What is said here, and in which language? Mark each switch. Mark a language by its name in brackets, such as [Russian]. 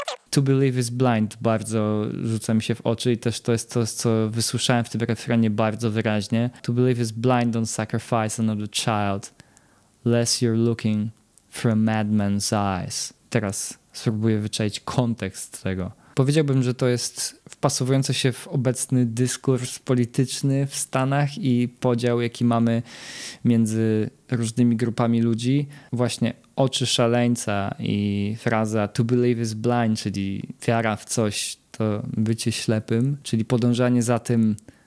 [English] To believe is blind [Polish] bardzo rzuca mi się w oczy i też to jest to, co wysłyszałem w tym refrenie bardzo wyraźnie. [English] To believe is blind, don't sacrifice another child. Less you're looking from madman's eyes. [Polish] Teraz spróbuję wyczaić kontekst tego. Powiedziałbym, że to jest wpasowujące się w obecny dyskurs polityczny w Stanach i podział, jaki mamy między różnymi grupami ludzi. Właśnie oczy szaleńca i fraza [English] to believe is blind, [Polish] czyli wiara w coś, to bycie ślepym, czyli podążanie za tym,